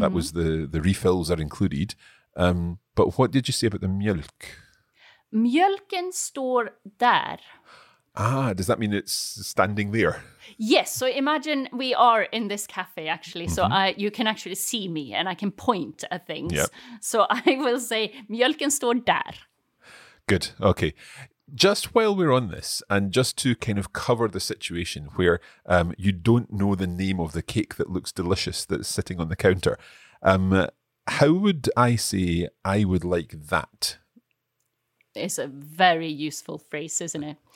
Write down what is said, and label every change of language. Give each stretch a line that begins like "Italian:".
English: That was the refills are included. But what did you say about the mjölk?
Swedish: Mjölken står där.
English: Ah, does that mean it's standing there? Yes, so imagine we are in this cafe, actually. Mm-hmm. So you can actually see me and I can point at things. Yep. So I will say,
Swedish: mjölken står där.
English: Good, okay. Just while we're on this, and just to kind of cover the situation where you don't know the name of the cake that looks delicious that's sitting on the counter, how would I say I would like that? It's a very useful phrase, isn't it?